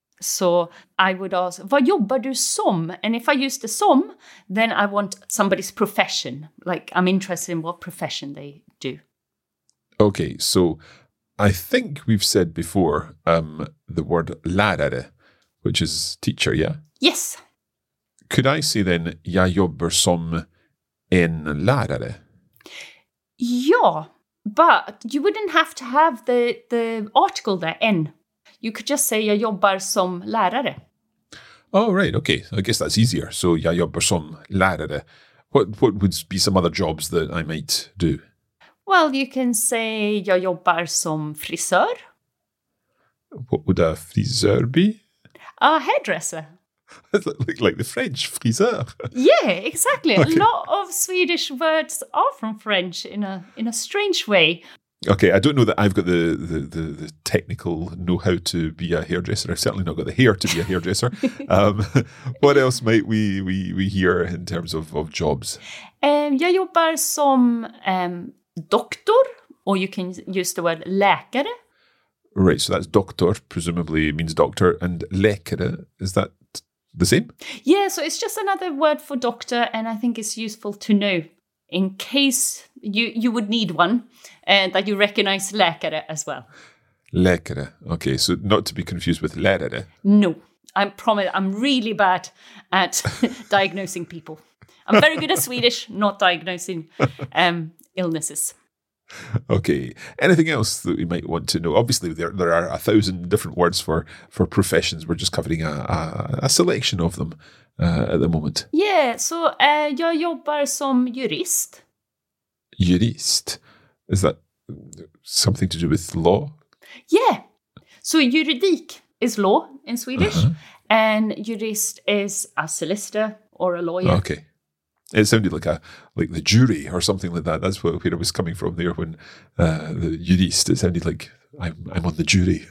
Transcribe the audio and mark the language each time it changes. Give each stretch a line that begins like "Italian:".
English: So I would ask,
Swedish: vad jobbar du som?
English: And if I use the som, then I want somebody's profession. Like, I'm interested in what profession they do. Okay, so I think we've said before the word lärare, which is teacher, yeah? Yes. Could I say then,
Swedish: jag jobbar som en lärare?
English: Ja, but you wouldn't have to have the article there, en. You could just say,
Swedish: jag jobbar som lärare.
English: Oh, right, okay. I guess that's easier.
Swedish: So, jag jobbar som lärare.
English: What would be some other jobs that I might do? Well, you can say,
Swedish: jag jobbar som frisör.
English: What would a frisör be? A hairdresser. Like the French, friseur. Yeah, exactly. Okay. A lot of Swedish words are from French in a strange way. Okay, I don't know that I've got the technical know-how to be a hairdresser. I've certainly not got the hair to be a hairdresser. what else might we hear in terms of jobs?
Swedish: Jag jobbar som doktor,
English: or you can use the word läkare. Right, so that's doktor, presumably means doctor, and läkare, is that the same? Yeah, so it's just another word for doctor, and I think it's useful to know in case you would need one, that you recognize läkare as well. Läkare, okay, so not to be confused with lärare. No, I promise, I'm really bad at diagnosing people. I'm very good at Swedish, not diagnosing illnesses. Okay, anything else that we might want to know? Obviously, there are a thousand different words for professions. We're just covering a selection of them at the moment. Yeah, so
Swedish: jag jobbar som jurist. Jurist?
English: Is that something to do with law? Yeah, so juridik is law in Swedish, uh-huh. And jurist is a solicitor or a lawyer. Okay. It sounded like the jury or something like that. That's where I was coming from there when the jurist, it sounded like I'm on the jury.